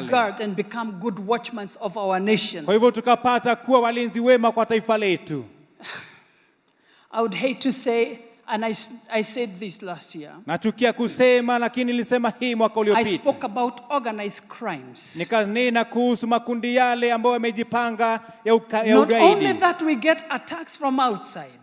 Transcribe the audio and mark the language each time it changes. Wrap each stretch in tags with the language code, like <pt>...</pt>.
<en>let's guard and become good watchmen of our nation</en> <sw>kwa hivyo tukapata kuwa walinzi wema kwa taifa letu.</sw> <en>I would hate to say and I said this last year.</en> <sw>Nachukia kusema lakini nilisema hii mwaka uliopita.</sw> <en>I spoke about organized crimes.</en> <sw>Nikanena kuhusu makundi yale ambayo yamejipanga ya ugaidi.</sw> <en>Not only that we get attacks from outside.</en>